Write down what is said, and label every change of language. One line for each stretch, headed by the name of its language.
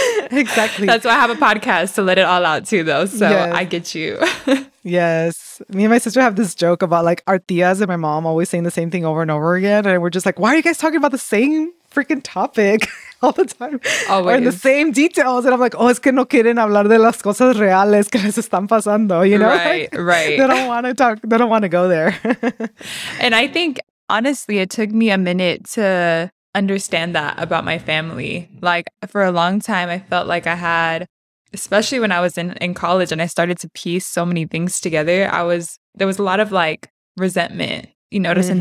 English: Exactly. That's why I have a podcast to let it all out too, though. So yes. I get you. Yes. Me and my sister have this joke about like our tías and my mom always saying the same thing over and over again. And we're just like, why are you guys talking about the same freaking topic all the time. Always. Or in the same details. And I'm like, oh,
Spanish: es que no quieren hablar de las cosas reales que les están pasando,
English: you know? Right, like, right. They don't want to talk. They don't want to go there. And I think, honestly, it took me a minute to understand that about my family. Like, for a long time, I felt like I had, especially when I was in college and I started to piece so many things together, there was a lot of, like, resentment, you know, mm-hmm.